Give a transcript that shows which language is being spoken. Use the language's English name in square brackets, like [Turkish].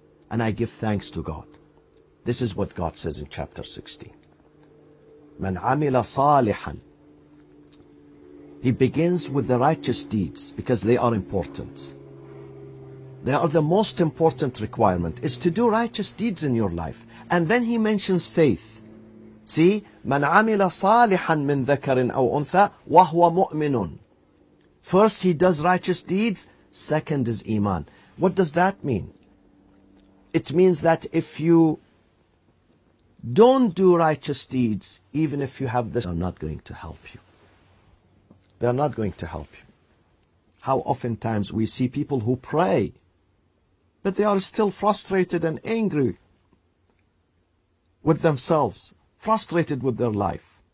[English] And I give thanks to God. This is what God says in chapter 16. [Arabic] من عمل صالحا. [English] He begins with the righteous deeds because they are important. They are the most important requirement is to do righteous deeds in your life. And then he mentions faith. See, [Arabic] من عمل صالحا من ذكر أو أنثى وهو مؤمن. [English] First he does righteous deeds, second is iman. What does that mean? It means that if you don't do righteous deeds, even if you have this, they're not going to help you. They're not going to help you. How oftentimes we see people who pray, but they are still frustrated and angry with themselves, frustrated with their life.